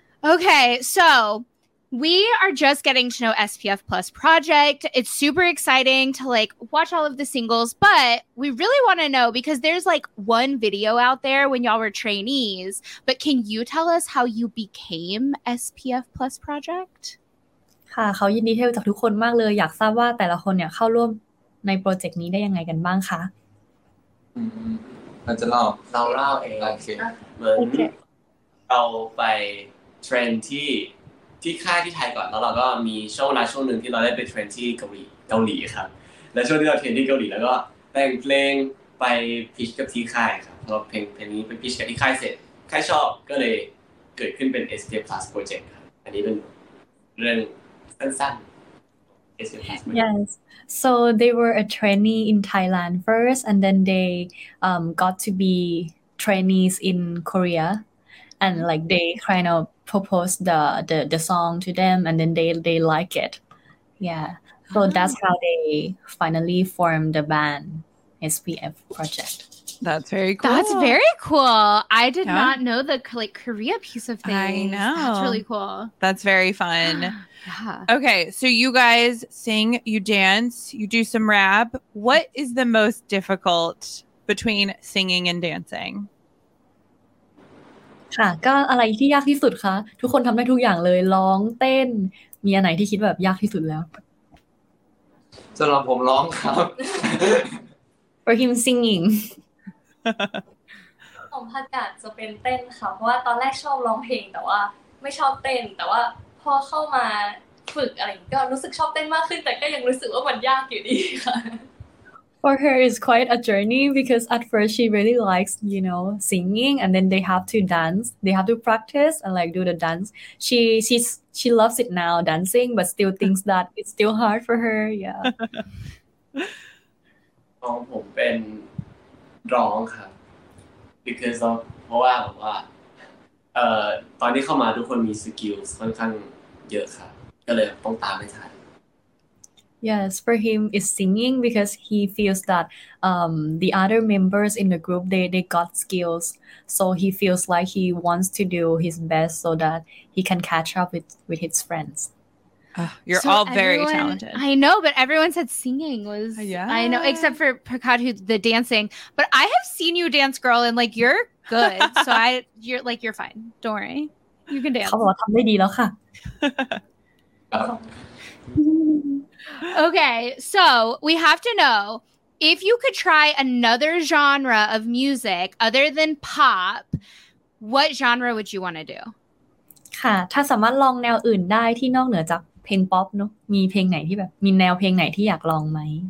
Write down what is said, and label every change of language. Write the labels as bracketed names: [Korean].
[English] Okay, so we are just getting to know SPF Plus Project. It's super exciting to like watch all of the singles, but we really want to know because there's like one video out there when y'all were trainees, but can you tell us how you became SPF Plus Project? [Thai] ค่ะ เขายินดีที่จะทุกคนมากเลยอยากทราบว่าแต่ละคนเนี่ยเข้าร่วมในโปรเจกต์นี้ได้ยังไงกันบ้างคะ มันจะเล่าเองละ คิดเหมือนเราไปเทรนที่ค่ายที่ไทยก่อนแล้วเราก็มีช่วงเวลาช่วงนึงที่เราได้ไปเทรนที่เกาหลีครับและช่วงที่เราเทรนที่เกาหลีแล้วก็แต่งเพลงไปพิชกับที่ค่ายครับพอเพลงนี้ไปพิชกับที่ค่ายเสร็จค่ายชอบก็เลยเกิดขึ้นเป็น SPF Plus Project ครับอันนี้เป็นเรื่องสั้นๆ SPF Plus [English] Yes so they were a trainee in Thailand first and then they got to be trainees in Korea, and like they kind of proposed the song to them, and then they like it. Yeah, so that's how they finally formed the band SPF project. That's very cool. That's very cool. I did not know the like Korea piece of things. I know. That's really cool. That's very fun. Yeah. Okay, so you guys sing, you dance, you do some rap. What is the most difficult between singing and dancing? [Thai] ค่ะก็อะไรที่ยากที่สุดคะทุกคนทำได้ทุกอย่างเลยร้องเต้นมีอันไหนที่คิดแบบยากที่สุดแล้ว สำหรับผมร้องครับ [English] For him singing [Thai] ผมพากาศจะเป็นเต้นค่ะเพราะว่าตอนแรกชอบร้องเพลงแต่ว่าไม่ชอบเต้นแต่ว่าพอเข้ามาฝึกอะไรก็รู้สึกชอบเต้นมากขึ้นแต่ก็ยังรู้สึกว่ามันยากอยู่ดีค่ะ [English] For her, it's quite a journey because at first she really likes, you know, singing, and then they have to dance. They have to practice and like do the dance. She loves it now, dancing, but still thinks that it's still hard for her. Yeah. [Thai] ของผมเป็นร้องค่ะ [English] because of [Thai] เพราะว่าแบบว่าตอนที่เข้ามาทุกคนมีสกิลค่อนข้างเยอะค่ะก็เลยต้องตามไม่ทัน [English] Yes, for him is singing because he feels that the other members in the group they got skills, so he feels like he wants to do his best so that he can catch up with his friends. You're so all very talented. I know, but everyone said singing was. Yeah. I know, except for Prakad, who the dancing. But I have seen you dance, girl, and like you're good. So you're fine. Don't worry, you can dance. [Thai] เขาบอกทำได้ดีแล้วค่ะ [English] Okay, so we have to know if you could try another genre of music other than pop, what genre would you want to do? [Thai] ค่ะถ้าสามารถลองแนวอื่นได้ที่นอกเหนือจากเพลงป๊อปเนาะมีเพลงไหนที่แบบมีแนวเพลงไหนที่อยากลองไหม